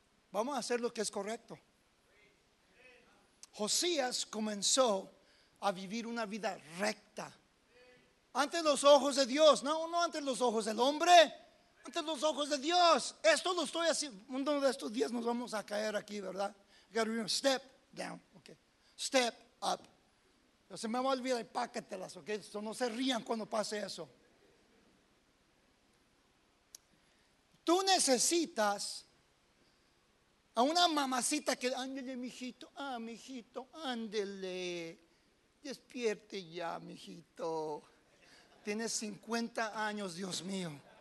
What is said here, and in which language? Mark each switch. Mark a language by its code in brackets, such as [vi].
[es] Vamos a hacer lo que es correcto. Josías comenzó a vivir una vida recta ante los ojos de Dios. No ante los ojos del hombre, ante los ojos de Dios. Esto lo estoy haciendo. Uno de estos días nos vamos a caer aquí, ¿verdad? [en] Gotta remember, step down, okay. [es] Step up. No se me va a olvidar, páquetelas, ok. So no se rían cuando pase eso. Tú necesitas a una mamacita que, ándele, mijito, ah, mijito, ándele. Despierte ya, mijito. Tienes 50 años, Dios mío.